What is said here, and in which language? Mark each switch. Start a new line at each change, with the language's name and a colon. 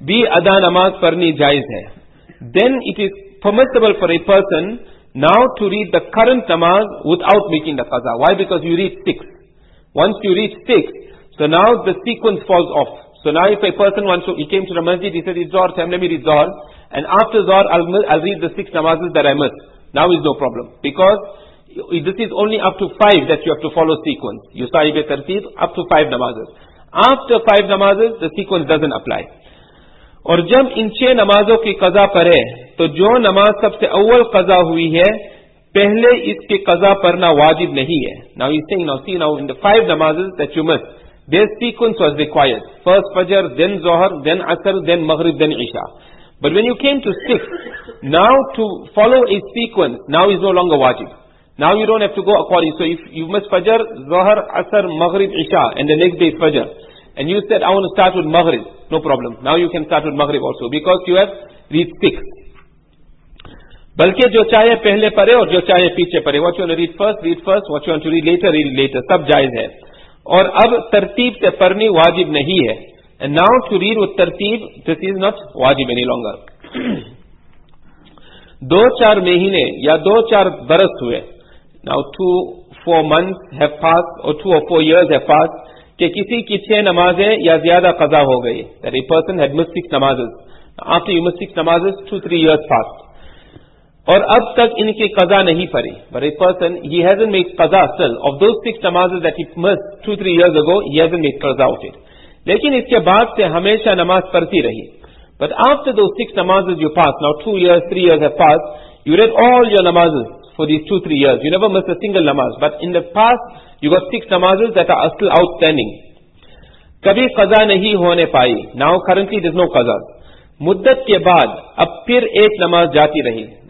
Urdu: بھی ادا نماز پڑھنی جائز ہے.
English: Then it is permissible for a person now to read the current namaz without making the qaza. Why? Because you read 6. Once you reach 6, so now the sequence falls off. So now if a person wants to, he came to the masjid, he said, it's Zohar time, let me read Zohar. And after Zohar, I'll read the 6 namazes that I missed. Now is no problem. Because this is only up to 5 that you have to follow sequence. Yusari be tartib, up to 5 namazes. After 5 namazes, the sequence doesn't apply.
Urdu: اور جب ان 6 نمازوں کی قضا پڑھے تو جو نماز سب سے اول قضا ہوئی ہے پہلے اس کے قضا پڑھنا واجب نہیں ہے.
English: Now he's saying, now see, now in the 5 نمازز that you missed, their sequence was required. First Fajr, then Zohar, then Asr, then Maghrib, then Isha. But when you came to 6, now to follow a sequence, now is no longer واجب. Now you don't have to go according. So if you missed Fajr, Zohar, Asr, Maghrib, Isha, and the next day is Fajr, and you said, I want to start with Maghrib, no problem. Now you can start with Maghrib also, because you have read 6.
Urdu: بلکہ جو چاہے پہلے پڑھے اور جو چاہے پیچھے پڑھے.
English: What you want to read first, what you want to read later,
Urdu: سب جائز ہے. اور اب ترتیب سے پڑھنی واجب نہیں ہے.
English: And now to read with ترتیب, this is not واجب any longer.
Urdu: دو چار مہینے یا دو چار برس ہوئے.
English: Now 2-4 months have passed, or 2 or 4 years have passed,
Urdu: کہ کسی کی 6 نمازیں یا زیادہ قضا ہو گئی.
English: That a person had missed 6 نمازز. After you missed 6 نمازز, 2-3 years passed.
Urdu: اور اب تک ان کی قضا نہیں پڑی.
English: But a person, he hasn't made قضا still. Of those 6 نمازز that he missed 2-3 years ago, he hasn't made قضا of it.
Urdu: لیکن اس کے بعد سے ہمیشہ نماز پڑھتی رہی.
English: But after those 6 نمازز you passed, now 2 years, 3 years have passed, you read all your نمازز for these 2-3 years. You never missed a single نماز. But in the past, you got 6 namazes that are still outstanding.
Urdu: Kabhi qaza nahi hone paayi.
English: Now currently there's no qaza.
Urdu: Muddat ke baad, ab phir ek namaz jati rahi.